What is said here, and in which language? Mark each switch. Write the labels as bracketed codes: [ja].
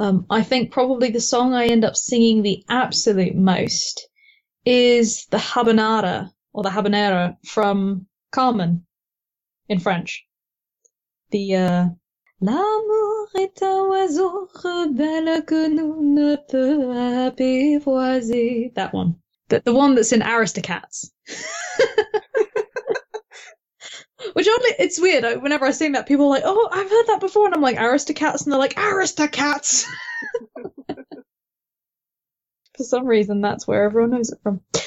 [en] I think probably the song I end up singing the absolute most is the Habanera or the Habanera from Carmen in French. The [fr] L'amour est un oiseau rebelle que nous ne peut apprivoiser. [en] That one. The one that's in Aristocats. Which only, it's weird, whenever I sing that, people are like, oh, I've heard that before, and I'm like, Aristocats, and they're like, Aristocats! For some reason, that's where everyone knows it from.